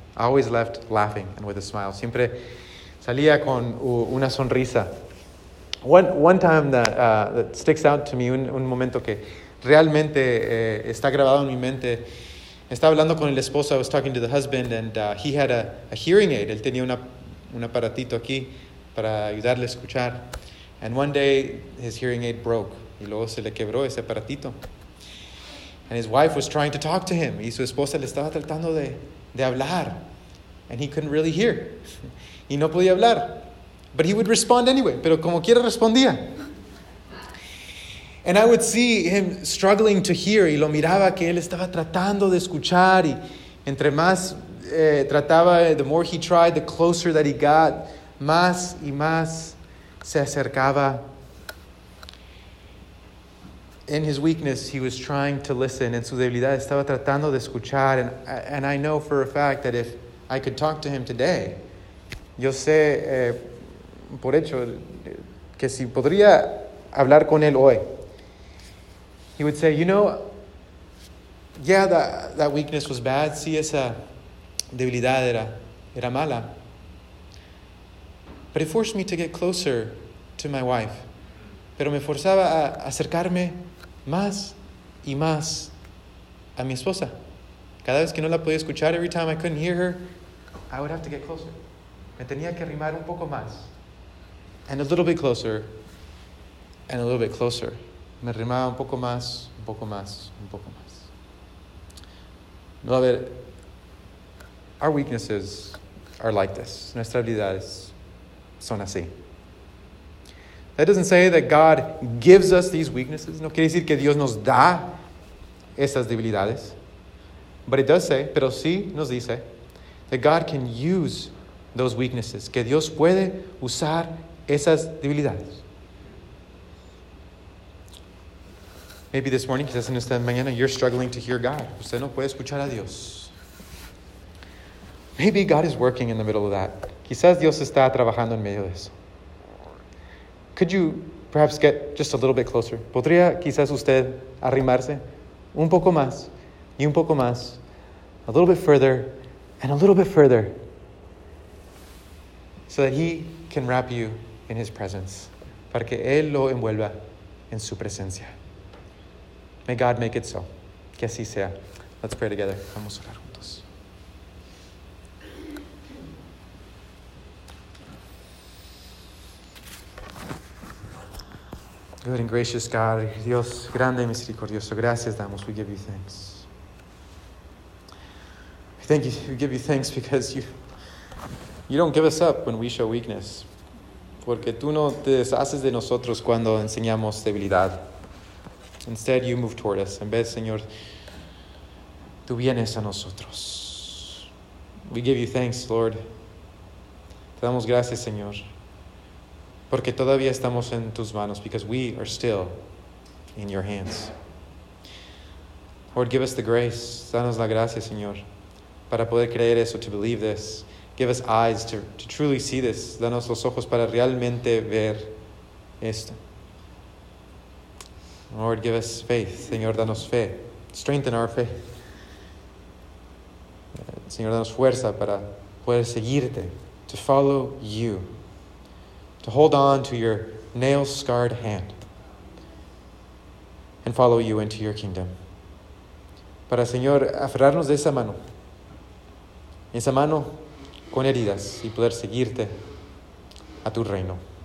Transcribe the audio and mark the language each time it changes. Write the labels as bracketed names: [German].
[English] I always left laughing and with a smile. [Spanish] Siempre salía con una sonrisa. [English] One time that sticks out to me, [Spanish] un momento que realmente está grabado en mi mente. Estaba hablando con el esposo. [English] I was talking to the husband, and he had a hearing aid. [Spanish] Él tenía un aparatito aquí para ayudarle a escuchar. [English] And one day his hearing aid broke. [Spanish] Y luego se le quebró ese aparatito. [English] And his wife was trying to talk to him. [Spanish] Y su esposa le estaba tratando de hablar. [English] And he couldn't really hear. [Spanish] Y no podía hablar. [English] But he would respond anyway. [Spanish] Pero como quiera respondía. [English] And I would see him struggling to hear. [Spanish] Y lo miraba que él estaba tratando de escuchar. Y entre más trataba, [English] the more he tried, the closer that he got. [Spanish] Más y más se acercaba. [English] In his weakness, he was trying to listen. [Spanish] En su debilidad, estaba tratando de escuchar. [English] And I know for a fact that if I could talk to him today, [Spanish] yo sé por hecho que si podría hablar con él hoy, [English] he would say, you know, yeah, that weakness was bad. [Spanish] Sí, esa debilidad era mala. [English] But it forced me to get closer to my wife. [Spanish] Pero me forzaba a acercarme más y más a mi esposa. Cada vez que no la podía escuchar, [English] every time I couldn't hear her, I would have to get closer. [Spanish] Me tenía que arrimar un poco más. [English] And a little bit closer, and a little bit closer. [Spanish] Me arrimaba un poco más, un poco más, un poco más. [English] Beloved, our weaknesses are like this. [Spanish] Nuestras debilidades son así. [English] That doesn't say that God gives us these weaknesses. [Spanish] No quiere decir que Dios nos da esas debilidades. [English] But it does say, [Spanish] pero sí nos dice, [English] that God can use those weaknesses. [Spanish] Que Dios puede usar esas debilidades. [English] Maybe this morning, [Spanish] quizás en esta mañana, [English] you're struggling to hear God. [Spanish] Usted no puede escuchar a Dios. [English] Maybe God is working in the middle of that. [Spanish] Quizás Dios está trabajando en medio de eso. [English] Could you perhaps get just a little bit closer? [Spanish] ¿Podría quizás usted arrimarse un poco más y un poco más? [English] A little bit further and a little bit further. So that he can wrap you in his presence. [Spanish] Para que él lo envuelva en su presencia. [English] May God make it so. [Spanish] Que así sea. [English] Let's pray together. [Spanish] Vamos a orar juntos. [English] Good and gracious God, [Spanish] Dios grande y misericordioso, gracias damos, [English] we give you thanks. Thank you, we give you thanks because you don't give us up when we show weakness. [Spanish] Porque tú no te deshaces de nosotros cuando enseñamos debilidad. [English] Instead, you move toward us. [Spanish] En vez, Señor, tú vienes a nosotros. [English] We give you thanks, Lord. [Spanish] Te damos gracias, Señor. Porque todavía estamos en tus manos, [English] because we are still in your hands. Lord, give us the grace. [Spanish] Danos la gracia, Señor, para poder creer eso, [English] to believe this. Give us eyes to truly see this. [Spanish] Danos los ojos para realmente ver esto. [English] Lord, give us faith. [Spanish] Señor, danos fe. [English] Strengthen our faith. [Spanish] Señor, danos fuerza para poder seguirte, [English] to follow you. To hold on to your nail-scarred hand and follow you into your kingdom. [Spanish] Para, Señor, aferrarnos de esa mano con heridas y poder seguirte a tu reino.